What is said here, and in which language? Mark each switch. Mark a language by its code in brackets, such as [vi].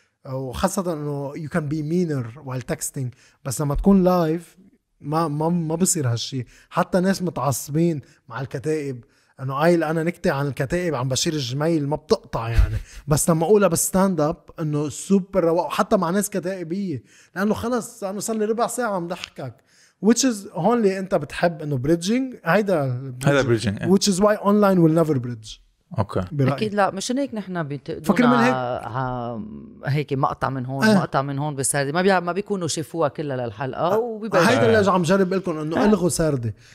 [ar] وخاصة انه [en] you can be meaner while texting، [ar] بس لما تكون live ما بصير هالشي. حتى ناس متعصبين مع الكتائب انه قايل انا نكتة عن الكتائب عن بشير الجميل ما بتقطع يعني، بس لما اقولها بستاند اب انه سوبر رواق حتى مع ناس كتائبية، لانه خلص انا صار لي ربع ساعة عم ضحكك، [en] which is [ar] هون اللي انت بتحب انه بريدجينج، هيدا بريدجينج [en] which is why online will never bridge. [ar] اوكي اكيد لا مش هيك نحن بتقدرنا هيك مقطع من هون مقطع من هون بسردي، ما بيكونوا شافوها كلها للحلقه وبيبقى هيدا اللي عم جرب لكم انه الغوا سردي